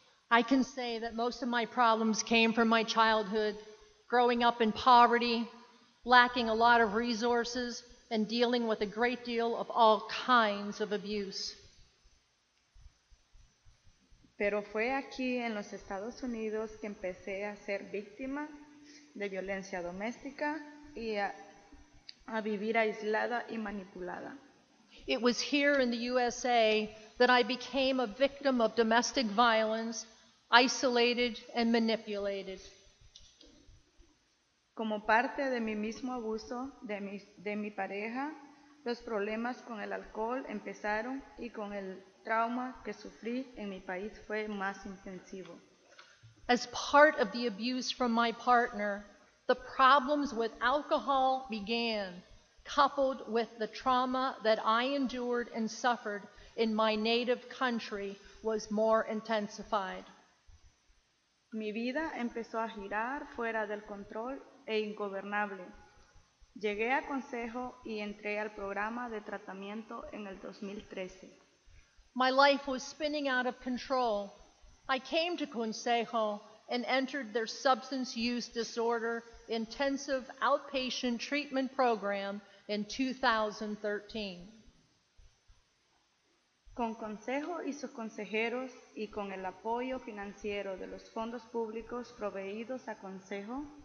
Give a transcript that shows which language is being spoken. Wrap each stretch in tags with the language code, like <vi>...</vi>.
<en>I can say that most of my problems came from my childhood, growing up in poverty, lacking a lot of resources, and dealing with a great deal of all kinds of abuse.</en> <es>Pero fue aquí en los Estados Unidos que empecé a ser víctima de violencia doméstica y a vivir aislada y manipulada.</es> <en>It was here in the USA that I became a victim of domestic violence, isolated and manipulated.</en> <es>Como parte de mi mismo abuso de mi pareja, los problemas con el alcohol empezaron y con el trauma que sufrí en mi país fue más intensivo.</es> <en>As part of the abuse from my partner, the problems with alcohol began, coupled with the trauma that I endured and suffered in my native country was more intensified.</en> <es>Mi vida empezó a girar fuera del control e ingobernable. Llegué a consejo y entré al programa de tratamiento en el 2013.</es> <en>My life was spinning out of control. I came to consejo and entered their substance use disorder intensive outpatient treatment program in 2013.</en> <es>Con consejo y sus consejeros y con el apoyo financiero de los fondos públicos proveídos a consejo.</es>